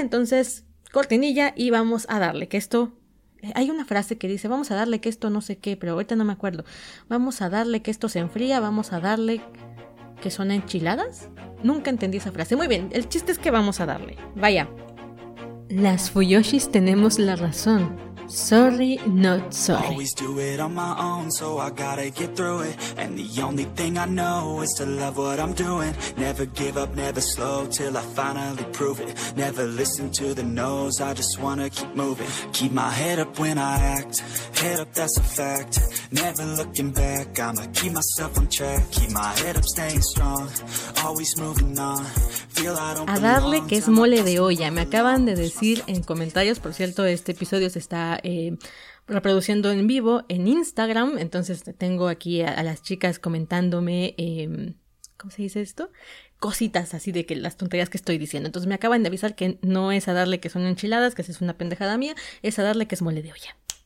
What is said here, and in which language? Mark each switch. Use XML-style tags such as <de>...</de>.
<es>Entonces cortinilla y vamos a darle que esto... Hay una frase que dice, vamos a darle que esto no sé qué, pero ahorita no me acuerdo. Vamos a darle que esto se enfría, vamos a darle que son enchiladas. Nunca entendí esa frase. Muy bien, el chiste es que vamos a darle. Vaya. Las Fuyoshis tenemos la razón.</es> <en>Sorry, not sorry. Always do it on my own, so I gotta get through it. And the only thing I know is to love what I'm doing. Never give up, never slow, till I finally prove it. Never listen to the no's, I just wanna keep moving. Keep my head up when I act, head up, that's a fact. Never looking back, I'ma keep myself on track. Keep my head up, staying strong, always moving on.</en> <es>A darle que es mole de olla. Me acaban de decir en comentarios, por cierto, este episodio se está reproduciendo en vivo en Instagram, entonces tengo aquí a las chicas comentándome, ¿cómo se dice esto? Cositas así de que las tonterías que estoy diciendo. Entonces me acaban de avisar que no es a darle que son enchiladas, que es una pendejada mía, es a darle que es mole de olla.</es>